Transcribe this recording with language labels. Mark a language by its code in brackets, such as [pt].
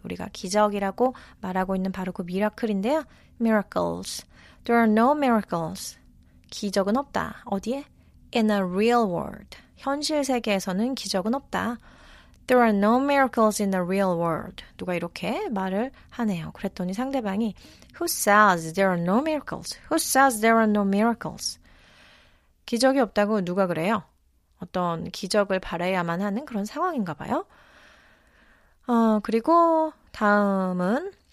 [ko] 우리가 기적이라고 말하고 있는 바로 그 미라클인데요. [en] Miracles. There are no miracles. [ko] 기적은 없다. 어디에? [en] In a real world. [ko] 현실 세계에서는 기적은 없다. [en] There are no miracles in the real world. [ko] 누가 이렇게 말을 하네요. 그랬더니 상대방이 [en] Who says there are no miracles? Who says there are no miracles? [ko] 기적이 없다고 누가 그래요? 어떤 기적을 바라야만 하는 그런 상황인가 봐요. 그리고 다음은